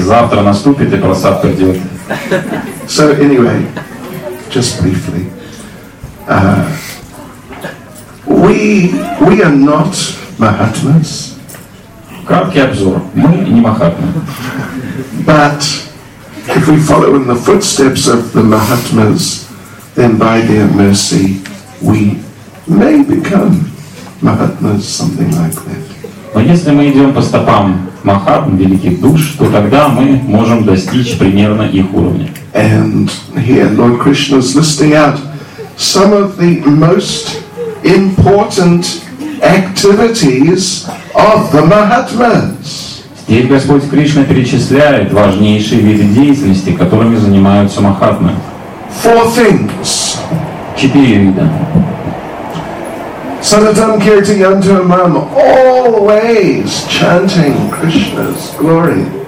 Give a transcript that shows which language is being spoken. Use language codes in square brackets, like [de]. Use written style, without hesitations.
[ru] Завтра наступит и просад придет. [en] So anyway, just briefly, we are not Mahatmas. [ru] Краткий обзор. Мы не Махатмы. [en] But if we follow in the footsteps of the Mahatmas, then by their mercy, we may become Mahatmas, something like that. [ru] Но если мы идем по стопам Махатм, великих душ, то тогда мы можем достичь примерно их уровня. [en] And here Lord Krishna is listing out some of the most important activities of the Mahatmas. [ru] Здесь Господь Кришна перечисляет важнейшие виды деятельности, которыми занимаются Махатмы. [en] Four things. [ru] Четыре вида. [sa] Sanatam Kirti Yanto Mam, [en] always chanting Krishna's glory.